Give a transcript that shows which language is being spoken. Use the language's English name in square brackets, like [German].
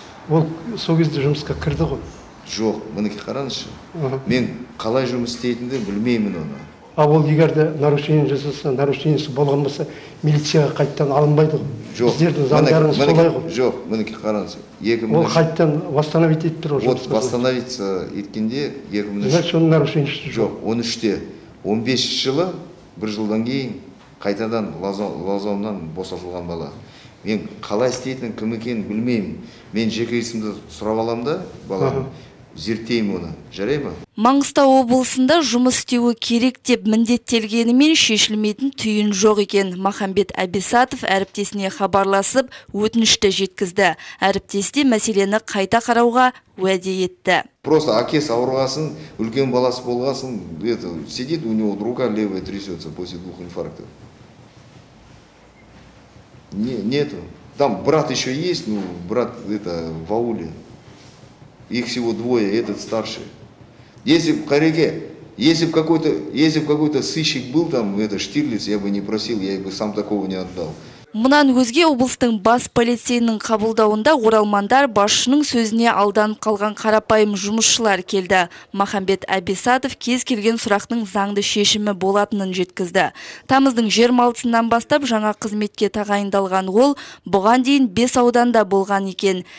[Kazakh] Ол сол кезде жұмысқа кірді ғой. Жоқ, мінекі қараңызшы. Мен қалай жұмыс істейтінімді білмеймін оны. А ол егер де нарушение жасаса, нарушениесі болған болса, милицияға қайттан алынбайды ғой. Жоқ. Сіздердің заңдарыңыз солай ғой. Жоқ, мінекі қараңыз. Ол қайттан восстановить етіп тұр ол жұмысты. [Russian] Вот восстановиться [Kazakh] еткенде 2003. Значит, оның нарушениесі жоқ. Жоқ, 13-те. 15 жылы бір жылдан кейін қайтадан лазаумнан босатылған бала. Мен қалай істейтін кім екенін білмеймін. Мен жеке есімді сұрап аламын да, балам. Зерттеймін оны. Жарай ма? Маңғыстау облысында жұмыс істеуі керек деп міндеттелгенімен шешілмейтін түйін жоқ екен. Махамбет Абисатов әріптесіне хабарласып, өтінішті жеткізді. Әріптесі мәселені қайта қарауға уәде етті. [Russian] Просто [Kazakh] әкесі ауырғасын, үлкен баласы болғасын, [Russian] это сидит, у него рука левая трясётся после двух инфарктов. Не, нету. Там брат еще есть, ну брат это в ауле. Их всего двое, этот старший. Если в Кареге, если бы какой-то сыщик был там, это Штирлиц, я бы не просил, я бы сам такого не отдал. [Kazakh] Мұнан өзге облыстың бас полицейінің қабылдауында оралмандар басшының сөзіне алданып қалған қарапайым жұмысшылар келді. Махамбет Абисатов кез келген сұрақтың заңды шешімі болатынын жеткізді. Тамыздың 26-сынан бастап жаңа қызметке тағайындалған ол бұған дейін 5 ауданда болған екен.